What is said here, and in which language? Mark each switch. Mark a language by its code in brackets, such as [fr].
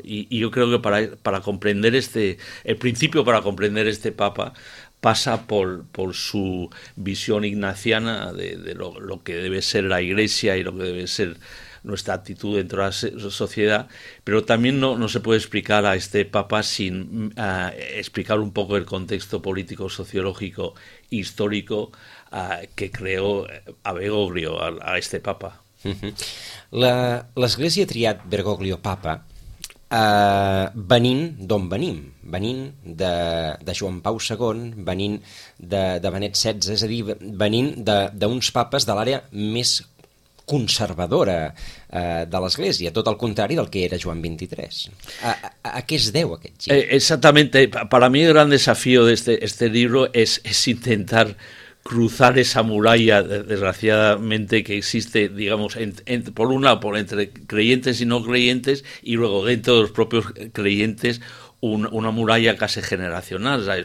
[es] Y yo creo que para comprender el principio para comprender este Papa pasa por su visión ignaciana de lo que debe ser la Iglesia y lo que debe ser nuestra actitud dentro de la sociedad, pero también no se puede explicar a este Papa sin explicar un poco el contexto político, sociológico, histórico que creó a Bergoglio, a este Papa. [ca] L'Església ha triat Bergoglio Papa venint d'on venim, venint de Joan Pau II, venint de Benet XVI, és a dir, venint d'uns papes de l'àrea més conservadora de l'Església, tot el contrari del que era Joan XXIII. A què es deu aquest gir? [es] Exactamente. Para mí el gran desafío de este libro es intentar cruzar esa muralla, desgraciadamente, que existe, digamos, por entre creyentes y no creyentes, y luego dentro de los propios creyentes una muralla casi generacional, ¿sabes?